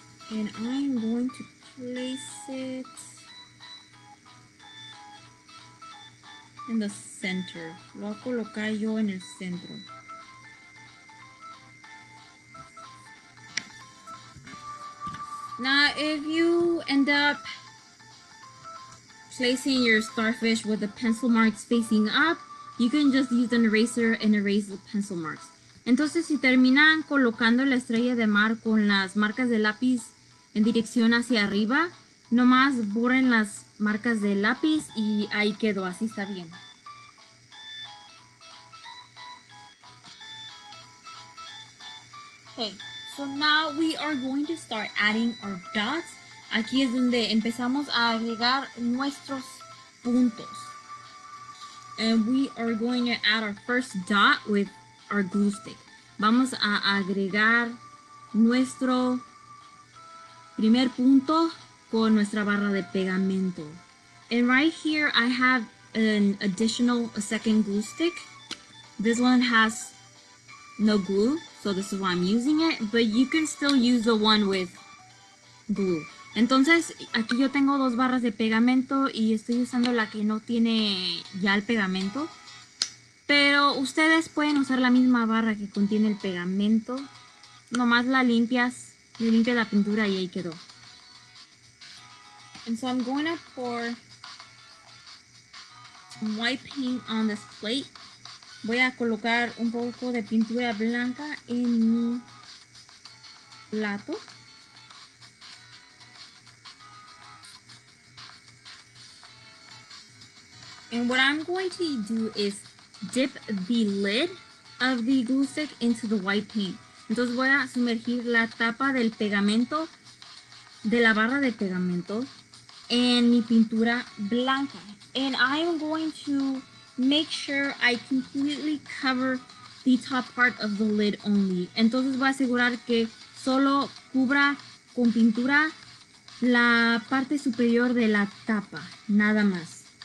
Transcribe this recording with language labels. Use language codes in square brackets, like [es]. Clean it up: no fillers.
[en] And I'm going to place it in the center. [es] Lo voy a colocar yo en el centro. [en] Now, if you end up placing your starfish with the pencil marks facing up, you can just use an eraser and erase the pencil marks. [es] Entonces, si terminan colocando la estrella de mar con las marcas de lápiz en dirección hacia arriba, nomás borren las marcas del lápiz y ahí quedó, así está bien. [en] Okay, so now we are going to start adding our dots. [es] Aquí es donde empezamos a agregar nuestros puntos. [en] And we are going to add our first dot with our glue stick. [es] Vamos a agregar nuestro primer punto con nuestra barra de pegamento. [en] And right here I have an additional second glue stick. This one has no glue, so this is why I'm using it, but you can still use the one with glue. [es] Entonces, aquí yo tengo dos barras de pegamento y estoy usando la que no tiene ya el pegamento. Pero ustedes pueden usar la misma barra que contiene el pegamento. Nomás la limpias. Le limpia la pintura y ahí quedó. [en] And so I'm going to pour some white paint on this plate. [es] Voy a colocar un poco de pintura blanca en mi plato. [en] And what I'm going to do is dip the lid of the glue stick into the white paint. [es] Entonces voy a sumergir la tapa del pegamento, de la barra de pegamento, en mi pintura blanca. [en] And I am going to make sure I completely cover the top part of the lid only. [es] Entonces voy a asegurar que solo cubra con pintura la parte superior de la tapa, nada más.